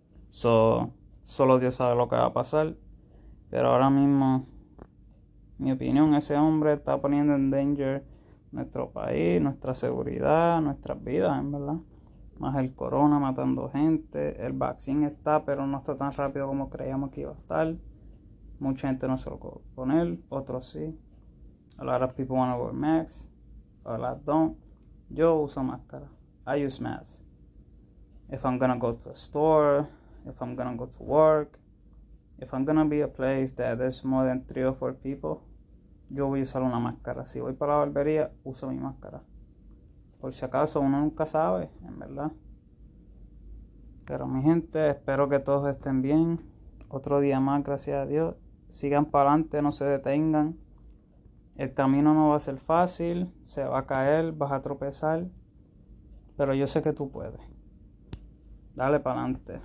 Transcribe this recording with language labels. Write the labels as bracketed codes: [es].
[es] So, solo Dios sabe lo que va a pasar. Pero ahora mismo, mi opinión, ese hombre está poniendo en danger nuestro país, nuestra seguridad, nuestras vidas, en verdad. más el corona matando gente. El vaccine está, pero no está tan rápido como creíamos que iba a estar. Mucha gente no se lo co con él, otros sí. [en] A lot of people want to wear masks, a lot don't. [es] Yo uso máscara. [en] I use masks. If I'm gonna go to a store, if I'm gonna go to work, if I'm gonna be a place that there's more than three or four people, [es] yo voy a usar una máscara. Si voy para la barbería, uso mi máscara. Por si acaso, uno nunca sabe, en verdad. Pero mi gente, espero que todos estén bien. Otro día más, gracias a Dios. Sigan para adelante, no se detengan. El camino no va a ser fácil, se va a caer, vas a tropezar, pero yo sé que tú puedes. Dale para adelante.